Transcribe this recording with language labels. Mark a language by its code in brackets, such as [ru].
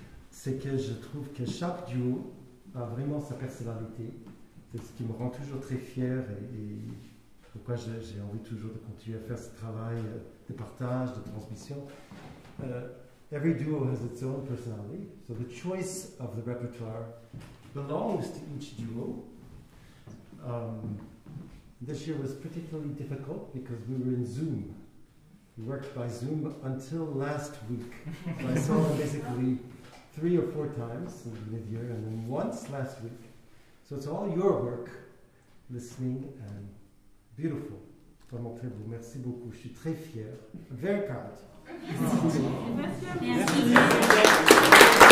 [fr] C'est que je trouve que chaque duo a vraiment sa personnalité. C'est ce qui me rend toujours très fier et pourquoi j'ai envie toujours de continuer à faire ce travail de partage, de transmission. [en] Every duo has its own personality, so the choice of the repertoire belongs to each duo. This year was particularly difficult because we were in Zoom. We worked by Zoom until last week. So I saw them basically three or four times in the mid-year and then once last week. So it's all your work, listening and beautiful. [fr] Vraiment très beau. Merci beaucoup. Je suis très fier. [en] I'm very proud. [fr] Merci. Merci. Merci. Merci.